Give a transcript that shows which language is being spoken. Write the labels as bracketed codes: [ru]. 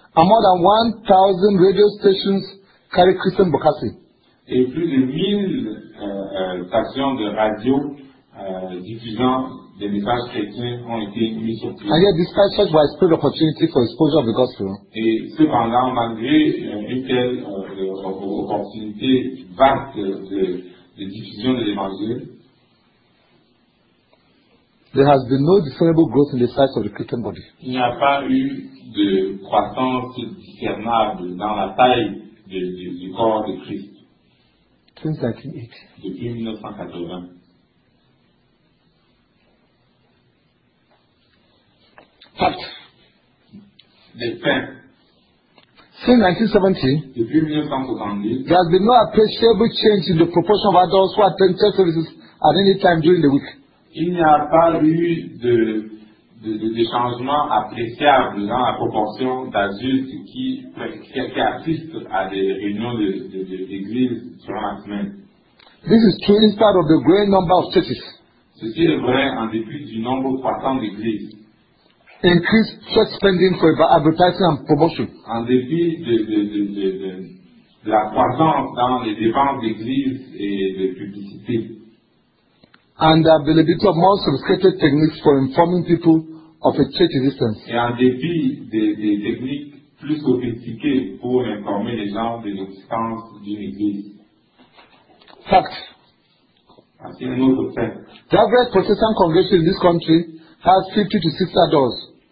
[en] And more than 1,000 radio stations carry Christian broadcasting. [fr] Et plus de 1,000 stations de radio diffusant des messages chrétiens ont été mis sur pied. [en] And yet, this kind of church will exploit the opportunity for exposure of the gospel. [fr] Et cependant, malgré une telle opportunité vaste de diffusion de l'évangile, [en] there has been no discernible growth in the size of the Christian body. [fr] Il n'y a pas eu de croissance discernable dans la taille du corps de Christ. [en] Since 1980. [fr] Depuis 1980. [en] Fact. The fact. Since 1970, there has been no appreciable change in the proportion of adults who attend church services at any time during the week. [fr] Il n'y a pas eu de changement appréciable dans la proportion d'adultes qui assistent à des réunions d'église durant la semaine. [en] This is true in spite of the growing number of churches. [fr] Ceci est vrai en dépit du nombre croissant d'églises. [en] Increased church spending for advertising and promotion. [fr] En dépit de la croissance dans les dépenses d'église et de publicité. [en] And the availability of more sophisticated techniques for informing people of a church existence. [fr] Et en dépit des techniques plus sophistiquées pour informer les gens de l'existence d'une église. [en] Fact. [fr] Ainsi, un autre fait. [en] The average Protestant congregation in this country has 50 to 60 adults.